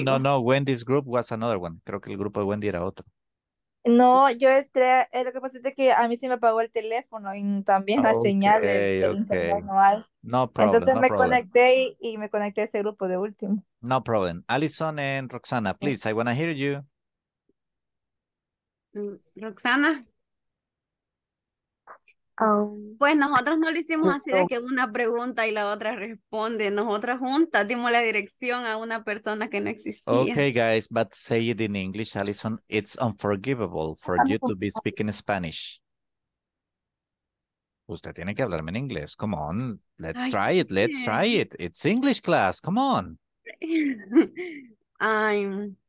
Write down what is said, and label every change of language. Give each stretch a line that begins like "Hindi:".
Spanish: llegó.
English: No, Wendy's group was another one.
Spanish: Creo que el grupo de Wendy era otro. No, yo entré, lo que pasa es que a mí se me apagó el teléfono y también la señal del internet no hay.
English: No problem.
Spanish: Entonces no me
English: problem.
Spanish: Conecté y me conecté a ese grupo de último.
English: No problem. Alison and Roxana, please, I want to hear you. Roxana.
Spanish: Pues nosotros no lo hicimos así de que una pregunta y la otra responde. Nosotras juntas dimos la dirección a una persona que no existía.
English: Okay, guys, but say it in English, Alison. It's unforgivable for you to be speaking Spanish.
Spanish: Usted tiene que hablarme en inglés.
English: Come on, let's try it. Let's try it. It's English class. Come on. I'm